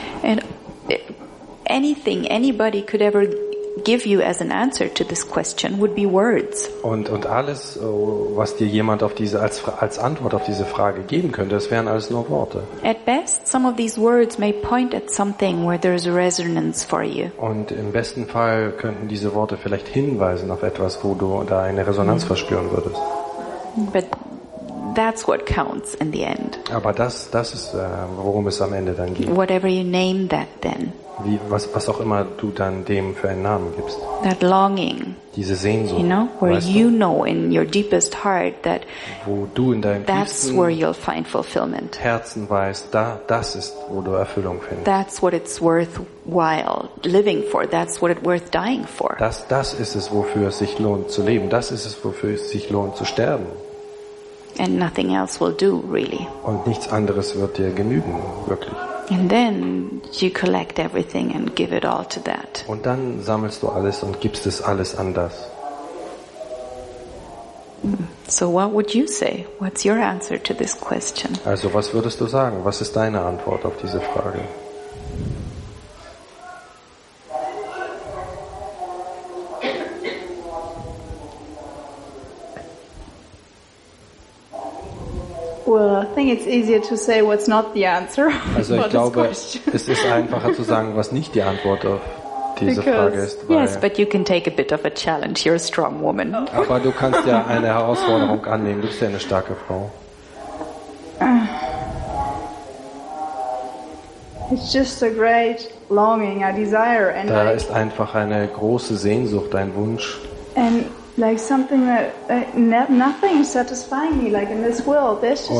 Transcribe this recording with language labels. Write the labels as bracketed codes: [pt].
[en] And anything anybody could ever give you as an answer to this question would be words. [de] Und alles, was dir jemand auf diese als Antwort auf diese Frage geben könnte, das wären alles nur Worte. [en] At best, some of these words may point at something where there is a resonance for you. [de] Und im besten Fall könnten diese Worte vielleicht hinweisen auf etwas, wo du da eine Resonanz verspüren würdest. [en] But that's what counts in the end. [de] Aber das ist, worum es am Ende dann geht. [en] Whatever you name that then. [de] Wie, was auch immer du dann dem für einen Namen gibst. [en] That longing, [de] diese Sehnsucht, [en] you know, where [de] weißt du, [en] you know in your deepest heart that [de] wo du in deinem [en] that's [de] tiefsten [en] where you'll find fulfillment. [de] Herzen weißt, da das ist, wo du Erfüllung findest. [en] That's what it's worthwhile living for. That's what it's worth dying for. [de] Das ist es, wofür es sich lohnt zu leben. Das ist es, wofür es sich lohnt zu sterben. [en] And nothing else will do, really. [de] Und nichts anderes wird dir genügen, wirklich. [en] And then you collect everything and give it all to that. [de] Und dann sammelst du alles und gibst es alles an das. [en] So what would you say? What's your answer to this question? [de] Also, was würdest du sagen? Was ist deine Antwort auf diese Frage? [en] Well, I think it's easier to say what's not the answer. [de] Also, ich glaube, es ist einfacher zu sagen, was nicht die Antwort auf diese Frage ist. [en] Yes, but you can take a bit of a challenge. You're a strong woman. [de] Aber du kannst ja eine Herausforderung annehmen. Du bist ja eine starke Frau. [en] It's just a great longing, a desire, and [de] da ist einfach eine große Sehnsucht, ein Wunsch. [en] And like something that nothing is satisfying me, like in this world, there's just